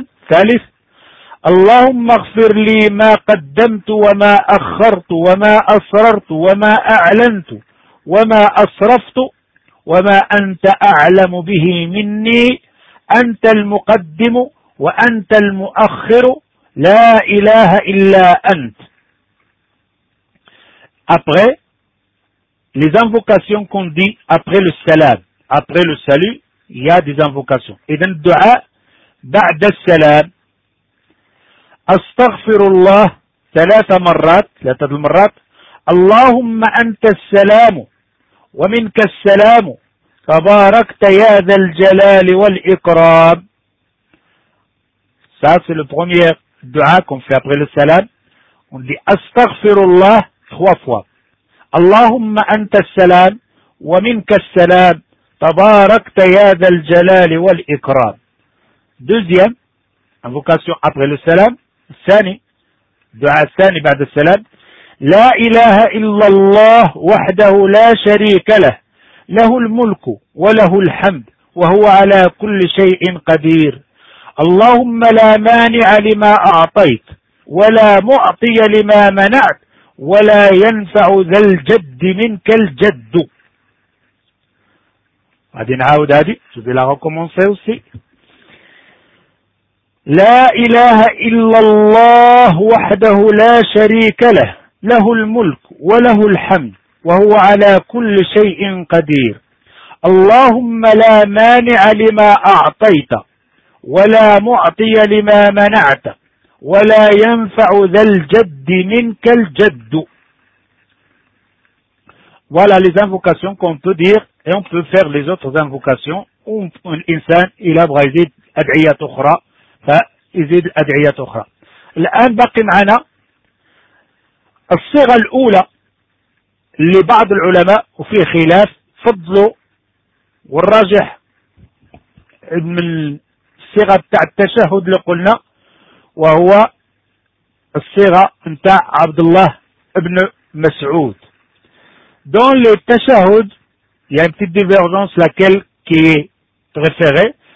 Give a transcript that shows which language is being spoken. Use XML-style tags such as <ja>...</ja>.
<ar>ثالث، اللهم اغفر لي ما قدمت وما أخرت وما أسررت وما أعلنت وما أسرفت وما أنت أعلم به مني، أنت المقدم وأنت المؤخر، لا إله إلا أنت.</ar> <fr>Après les invocations qu'on dit après le salam, après le salut, il y a des invocations.</fr> <ar>إذن الدعاء بعد السلام. أستغفر الله ثلاث مرات. اللهم أنت السلام ومنك السلام فباركت يا ذا الجلال والإكرام.</ar> <fr>Ça c'est le premier dua qu'on fait après le salam. On dit</fr> <ar>أستغفر الله</ar> <fr>3 fois.</fr> <ar>اللهم أنت السلام ومنك السلام تباركت يا ذا الجلال والإكرام.</ar> <fr>Deuxième invocation après le salam.</fr> <ar>الثاني dua الثاني بعد السلام. لا إله إلا الله وحده لا شريك له، له الملك وله الحمد وهو على كل شيء قدير. اللهم لا مانع لما أعطيت ولا معطي لما منعت ولا ينفع ذا الجد منك الجد. غادي نعاود هادي</ar> <fr>سوبي لا ريكومونسي اوسي.</fr> <ar>لا إله إلا الله وحده لا شريك له، له الملك وله الحمد وهو على كل شيء قدير. اللهم لا مانع لما أعطيت ولا معطي لما منعت ولا ينفع ذا الجد منك الجد.</ar> <fr>Voilà les invocations qu'on peut dire et on peut faire les autres invocations.</fr> <ar>الإنسان إلى بغى يزيد أدعية أخرى فيزيد أدعية أخرى. الآن بقي معنا الصيغة الأولى لبعض العلماء وفي خلاف فضلوا، والراجح من الصيغة بتاع التشهد اللي قلنا وهو الصيغة بتاع عبد الله ابن مسعود.</ar> <fr>Dans le tashahud il y a une petite divergence laquelle qui est préférée.</fr>